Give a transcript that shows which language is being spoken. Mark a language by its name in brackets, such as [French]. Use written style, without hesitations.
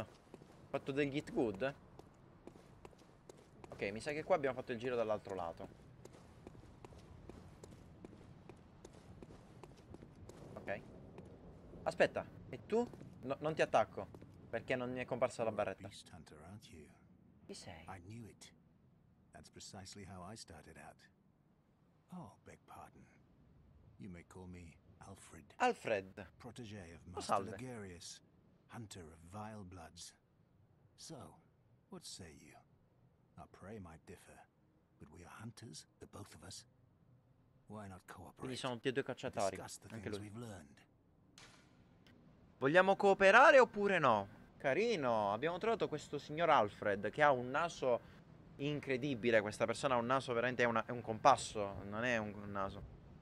[Italian] Ho fatto del git good. Ok, mi sa che qua abbiamo fatto il giro dall'altro lato. Ok. Aspetta, e tu? No, non ti attacco. Perché non mi è comparsa la barretta. [English] Beast Hunter, aren't you? [Italian] Chi sei? [English] I knew it. That's precisely how I started out. Oh, beg pardon. You may call me Alfred. Alfred. Protégé of Master Ligarius, hunter of vile bloods. So, what say you? Our prey might differ, but we are hunters, the both of us. Why not cooperate? [Italian] Sono tutti e due cacciatori. Anche lui. [English] We've learned. [Italian] Vogliamo cooperare oppure no? Carino, abbiamo trovato questo signor Alfred che ha un naso Incredibile, questa persona ha un naso veramente, è un compasso, non è un naso.